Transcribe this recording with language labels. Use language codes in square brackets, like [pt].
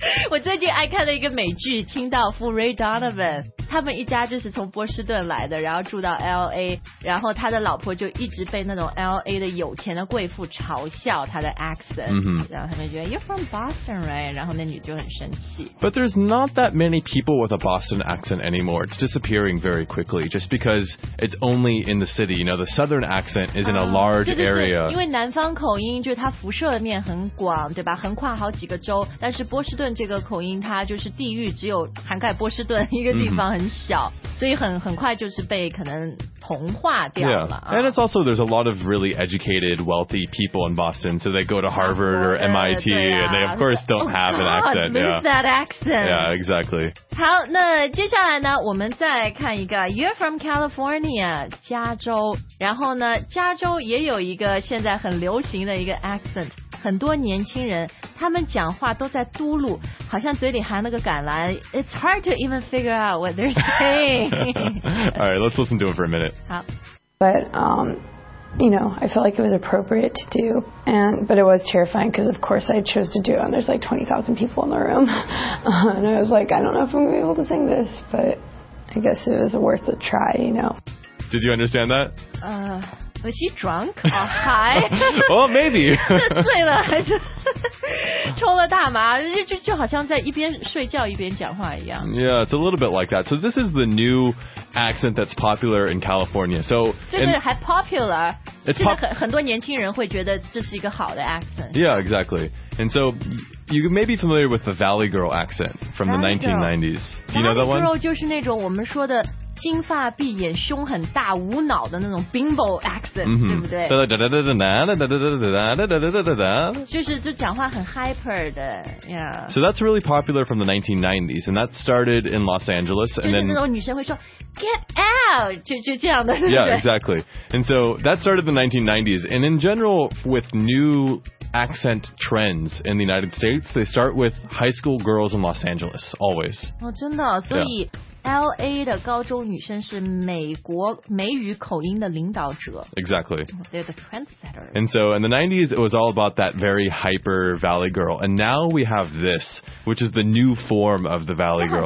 [zh] 我最近爱看了一个美剧《清道夫》Ray Donovan，他们一家就是从波士顿来的，然后住到 LA， 然后他的老婆就一直被那种 LA 的有钱的贵妇嘲笑他的 accent，然后他们觉得 You're from Boston, right? 然后那女就很生气。 [en] But there's not that many people with a Boston accent anymore. It's disappearing very quickly, just because it's only in the city. You know, the southern accent is in a large area. [zh] 对对对，因为南方口音就是它辐射面很广，对吧？横跨好几个州，但是波士顿这个口音它就是地域只有涵盖波士顿一个地方。很小，所以很快就是被可能同化掉了。 [en] Yeah. And it's also there's a lot of really educated, wealthy people in Boston, so they go to Harvard or MIT, and they of course don't have an accent. Lose that accent. Yeah, exactly. [zh] 好，那接下来呢，我们再看一个 ， You're from California, 加州。然后呢，加州也有一个现在很流行的一个 accent。很多年轻人他们讲话都在嘟噜，好像嘴里含了个橄榄。 [en] It's hard to even figure out what they're saying. All right, let's listen to it for a minute. [zh] 好。 [en] But, you know, I felt like it was appropriate to do, and, but it was terrifying because, of course, I chose to do it, and there's like 20,000 people in the room. And I was like, I don't know if I'm going to be able to sing this, but I guess it was worth a try, you know. Did you understand that? Was he drunk or high? Well, maybe. [zh] 醉了还是抽了大麻，就好像在一边睡觉一边讲话一样。 [en] Yeah, it's a little bit like that. So this is the new accent that's popular in California. So [zh] 这个还 popular. 现在很多年轻人会觉得这是一个好的 accent. [en] Yeah, exactly. And so you may be familiar with the Valley Girl accent from the 1990s. Do you know that one? [zh] Valley Girl 就是那种我们说的金发碧眼胸很大无脑的那种 bimbo accent、mm-hmm. 对不对，就是就讲话很 hyper 的、yeah. [en] So that's really popular from the 1990s, and that started in Los Angeles, and [zh] 就是那种女生会说 get out 就这样的。 [en] Yeah, exactly. And so that started in the 1990s, and in general with newaccent trends in the United States, they start with high school girls in Los Angeles, always. [zh] Oh, 真的、哦、所以、yeah. LA 的高中女生是美国美语口音的领导者。 [en] Exactly. They're the trendsetters. And so in the 90s, it was all about that very hyper Valley Girl. And now we have this, which is the new form of the Valley Girl.